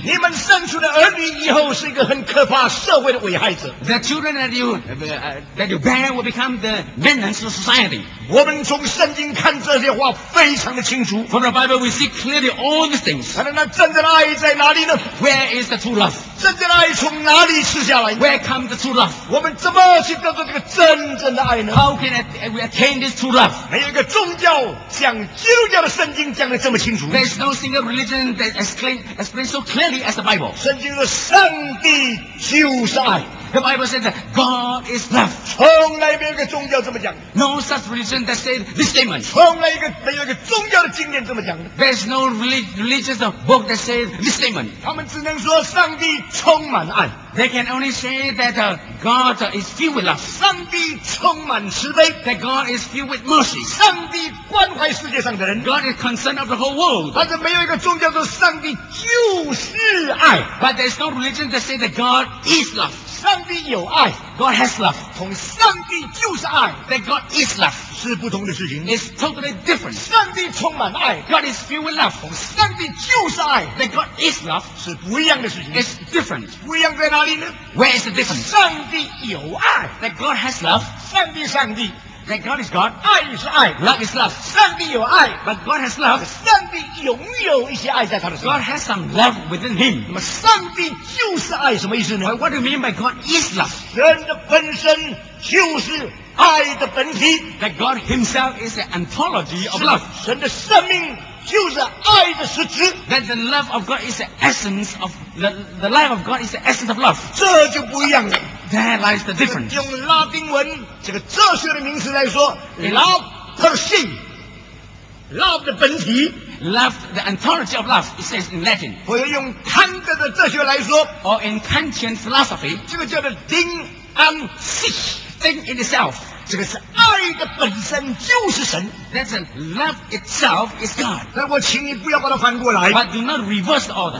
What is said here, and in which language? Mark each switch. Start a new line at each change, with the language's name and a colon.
Chinese: 你们生出的儿女以后是一个很可怕社会的危害者。
English: The children that you bear will become the menace of society.
Chinese: 我们从圣经看这些话非常的清楚。
English: From the Bible we see clearly all these things.
Chinese: 那真正的爱在哪里呢？
English: Where is the true love?
Chinese: 真正的爱从哪里吃下来？
English: Where comes the true love?
Chinese: 我们怎么去得到这个真正的爱呢？
English: How can we attain this true love?
Chinese: 没有一个宗教像基督教的圣经讲得这么清楚。
English: There is no single religion that explains so clearly as the Bible.
Chinese: 圣经说上帝就是爱。
English: The Bible says that God is love.
Chinese: 从来没有一个宗教这么讲。
English: No such religion that says this statement.
Chinese: 从来没有一个宗教的经典这么讲。
English: There's no religious book that says this statement.
Chinese: 他们只能说上帝充满爱。
English: They can only say that God is filled with love.
Chinese: 上帝充满慈悲。
English: That God is filled with mercy.
Chinese: 上帝关怀世界上的人。
English: God is concerned of the whole world.
Chinese: 但是没有一个宗教说上帝就是爱。
English: But there's no religion that says that God is love.
Chinese: 上帝有爱。
English: God has love.
Chinese: 从上帝就是爱。
English: That God is love.
Chinese: 是不同的事情。
English: It's totally different.
Chinese: 上帝充满爱。
English: God is filled with love.
Chinese: 从上帝就是爱。
English: That God is love.
Chinese: 是不一样的事情。
English: It's different.
Chinese: 不一样在哪里呢？
English: Where is the difference?
Chinese: 上帝有爱。
English: That God has love.
Chinese: 上帝上帝。
English: That God is God.
Chinese: 爱是爱。
English: Love is love.
Chinese: 上帝有爱。
English: But God has love.
Chinese: 上帝拥有一些爱在他的身上。
English: God has some love within him.
Chinese: 那么上帝就是爱什么意思呢？
English: What do you mean by God is love?
Chinese: 人的本身就是爱的本体。
English: That God himself is the ontology of love.
Chinese: 神的生命就是爱的实质。
English: That the love of God is the essence of the life of God is the essence of love.
Chinese: 这就不一样了。
English: There lies the difference.
Chinese: 用拉丁文这个哲学的名词来说， love per se, love 的本体，
English: love the ontology of love, it says in Latin.
Chinese: 或者用康德的哲学来说，
English: or in Kantian philosophy,
Chinese: 这个叫做 Ding an sich,
English: thing in itself.
Chinese: 这个是爱的本身就是神。
English: That love itself is God.
Chinese: 那我请你不要把它翻过来。
English: But do not reverse the order.